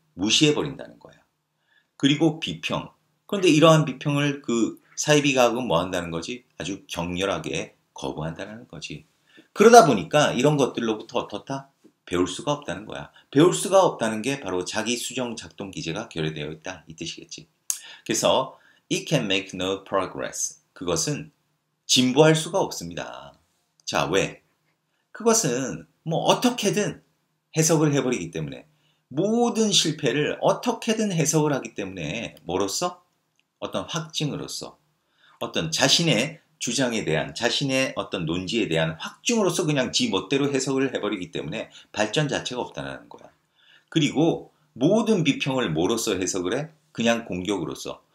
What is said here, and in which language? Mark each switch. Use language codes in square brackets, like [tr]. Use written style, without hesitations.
[ko] 무시해버린다는 거야. 그리고 비평. 그런데 이러한 비평을 그 사이비 과학은 뭐 한다는 거지? 아주 격렬하게 거부한다는 거지. 그러다 보니까 이런 것들로부터 어떻다? 배울 수가 없다는 거야. 배울 수가 없다는 게 바로 자기 수정 작동 기제가 결여되어 있다. 이 뜻이겠지. 그래서 [en] it can make no progress. [ko] 그것은 진보할 수가 없습니다. 자, 왜? 그것은 뭐 어떻게든 해석을 해버리기 때문에 모든 실패를 어떻게든 해석을 하기 때문에 뭐로써? 어떤 확증으로써. 어떤 자신의 주장에 대한, 자신의 어떤 논지에 대한 확증으로서 그냥 지 멋대로 해석을 해버리기 때문에 발전 자체가 없다는 거야. 그리고 모든 비평을 뭐로써 해석을 해? 그냥 공격으로써.